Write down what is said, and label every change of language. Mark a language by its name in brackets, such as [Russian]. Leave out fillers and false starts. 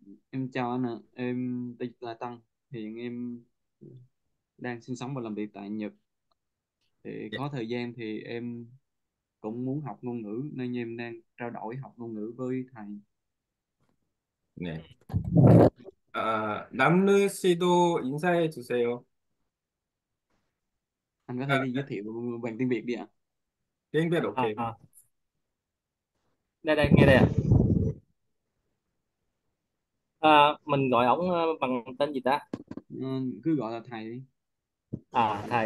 [Vietnamese] em chào anh ạ. Em tên là Tăng, hiện em đang sinh sống và làm việc tại Nhật. Thì có thời gian thì em cũng muốn học ngôn ngữ nên em đang trao đổi học ngôn ngữ với thầy. Yeah. 네. [Korean] 아, 남루 씨도 인사해 주세요. [Vietnamese] Anh có thể đi giới thiệu bằng tiếng Việt đi ạ. Tiếng Việt À? ok không? Đây đây, nghe đây ạ. Mình gọi ổng bằng tên gì ta? Cứ gọi là thầy đi. À thầy,